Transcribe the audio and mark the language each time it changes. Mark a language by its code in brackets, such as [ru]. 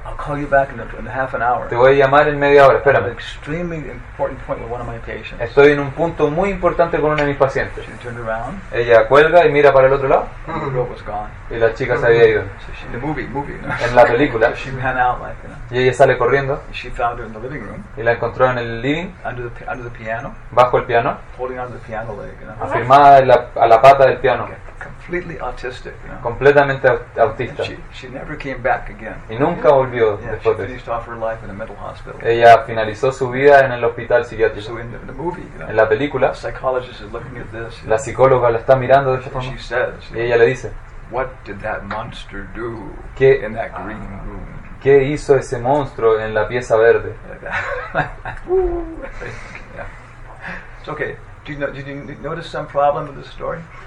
[en] I'll call you back in half an hour. [es] Te voy a llamar en media hora. Espérame. [en] An extremely important point with one of my patients. [es] Estoy en un punto muy importante con uno de mis pacientes. [en] She turned around. [es] Ella cuelga y mira para el otro lado. [en] Mm-hmm. The girl was gone. [es] Y la chica mm-hmm. se había ido. [en] So she, the movie. You know? [es] En la película. [en] So she ran out, like, you know? [es] Y ella sale corriendo. [en] She found her in the living room. [es] Y la encontró en el living. [en] Under the piano. [es] Bajo el piano. [en] Holding onto the piano leg. You know? [es] Afirmada a la pata del piano. [en] Okay. Completely autistic, you know? [es] Completamente autista. [en] She never came back again. [es] Y nunca volvió después. [en] She finished off her life in a mental hospital. [es] Ella finalizó su vida en el hospital psiquiátrico. [en] So in the movie, you know, [es] en la película, [en] the psychologist is looking at this, [es] la psicóloga la está mirando de esta forma. [en] She says, [es] y ella le dice, [en] what did that monster do in that green room? [es] ¿Qué hizo ese monstruo en la pieza verde? [en] It's okay. Did you notice some problem with the story?